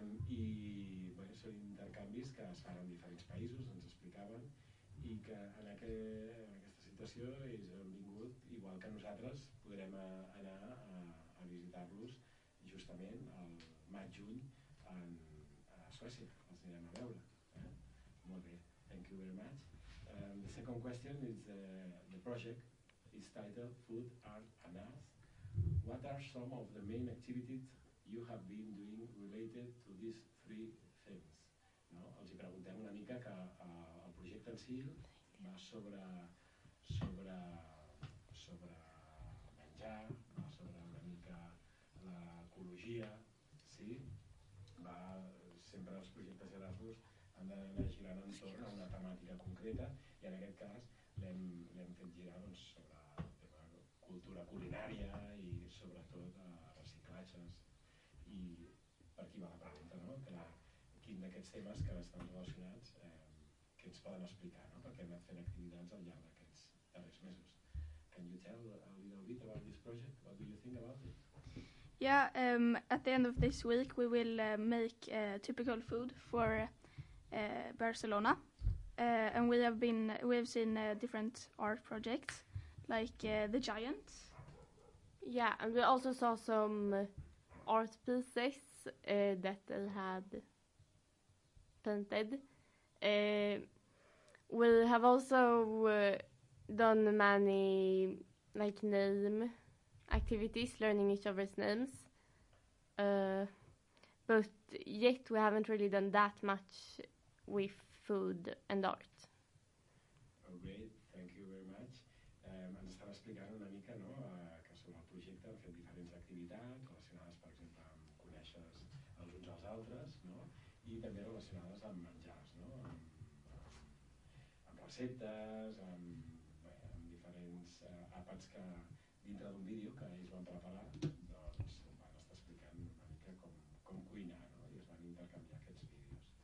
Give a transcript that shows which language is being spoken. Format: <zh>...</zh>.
<ca>I bé, són intercanvis que es fan en diferents països, ens explicaven, i que en aquesta situació ells han vingut, igual que nosaltres, podrem anar a visitar-los justament el maig-juny a Suècia, els anirem a veure. Molt bé,</ca> <en>thank you very much. The second question is the project is titled Food, Art and Us. What are some of the main activities you have been doing related to these three things? No?</en> <ca>Els hi preguntem una mica que el projecte en si va sobre menjar, va sobre una mica l'ecologia, sí? Va sempre els projectes Erasmus han d'anar girant entorn a una temàtica concreta i en aquest cas l'hem fet girar doncs, sobre la cultura culinària i sobretot reciclatges. I per aquí va la pregunta, no? Quin d'aquests temes que estan relacionats que ens poden explicar, no? Perquè hem anat fent activitats al llarg d'aquests darrers mesos.</ca> <en>Can you tell a little bit about this project? What do you think about it? Yeah, at the end of this week we will make typical food for Barcelona. And we've seen different art projects, like the giant. Yeah, and we also saw some art pieces that they had painted. We have also done many like name activities, learning each other's names. But yet we haven't really done that much with food and art. Oh, great, thank you very much.</en> <ca>Ens estava explicant una mica, no, que sobre el projecte hem fet diferents activitats relacionades, per exemple, amb conèixer els uns als altres, no, i també relacionades amb menjars, no, amb receptes, amb diferents àpats que dintre d'un vídeo que ells van preparar, doncs van estar explicant una mica com cuinar, no, i es van intercanviar aquests vídeos.</ca>